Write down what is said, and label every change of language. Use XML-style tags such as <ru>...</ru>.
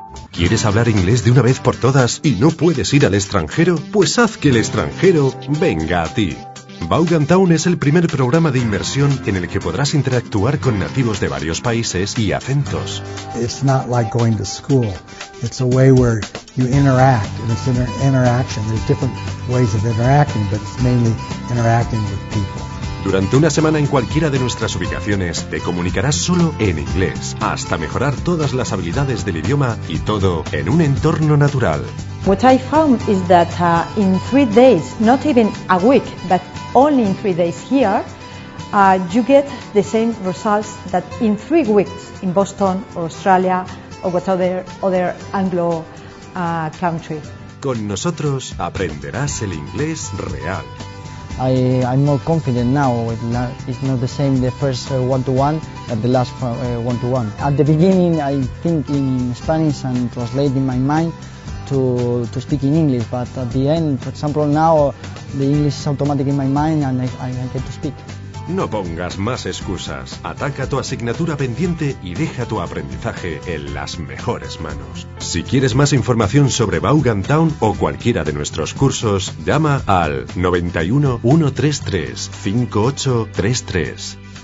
<es>¿Quieres hablar inglés de una vez por todas y no puedes ir al extranjero? Pues haz que el extranjero venga a ti. Vaughan Town es el primer programa de inmersión en el que podrás interactuar con nativos de varios países y acentos.</es> <en>It's not like going to school. It's a way where you interact, and it's interaction. There's different ways of interacting, but it's mainly interacting with people.</en> <es>Durante una semana en cualquiera de nuestras ubicaciones, te comunicarás solo en inglés, hasta mejorar todas las habilidades del idioma y todo en un entorno natural.</es> <en>What I found is that in 3 days, not even a week, but only in 3 days here, you get the same results that in 3 weeks in Boston or Australia or whatever other Anglo country.</en> <es>Con nosotros aprenderás el inglés real.</es> <en>I'm more confident now. It's not the same the first one-to-one as the last one-to-one. At the beginning, I think in Spanish and translate in my mind to speak in English. But at the end, for example, now the English is automatic in my mind and I get to speak.</en> <es>No pongas más excusas. Ataca tu asignatura pendiente y deja tu aprendizaje en las mejores manos. Si quieres más información sobre Vaughan Town o cualquiera de nuestros cursos, llama al 91-133-5833.</es>